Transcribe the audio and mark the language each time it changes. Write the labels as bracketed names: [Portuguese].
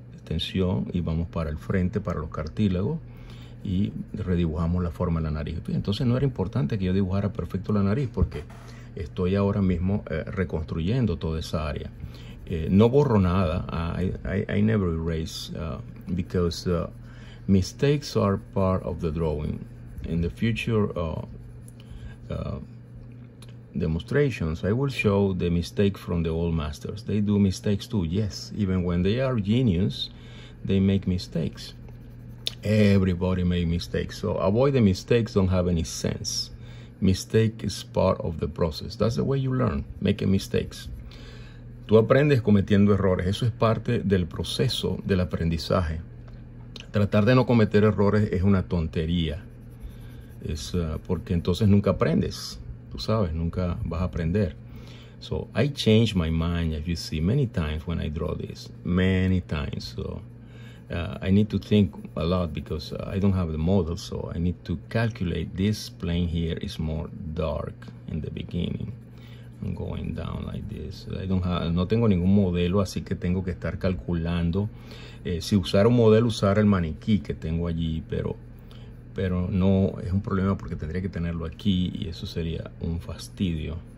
[Spanish] Tensión y vamos para el frente, para los cartílagos, y redibujamos la forma de la nariz. Entonces no era importante que yo dibujara perfecto la nariz porque estoy ahora mismo reconstruyendo toda esa área. No borro nada. [English] I never erase because mistakes are part of the drawing. In the future demonstrations, I will show the mistake from the old masters. They do mistakes too. Yes, even when they are genius, they make mistakes. Everybody make mistakes. So avoid the mistakes. Don't have any sense. Mistake is part of the process. That's the way you learn. Making mistakes. [Spanish] Tú aprendes cometiendo errores. Eso es parte del proceso del aprendizaje. Tratar de no cometer errores es una tontería. Es porque entonces nunca aprendes. Tú sabes, nunca vas a aprender. [English] So I change my mind, as you see, many times when I draw this. Many times. So I need to think a lot because I don't have the model, so I need to calculate. This plane here is more dark in the beginning. going down like this. [Spanish] No tengo ningún modelo, así que tengo que estar calculando. Si usar un modelo, usar el maniquí que tengo allí, pero no es un problema porque tendría que tenerlo aquí y eso sería un fastidio.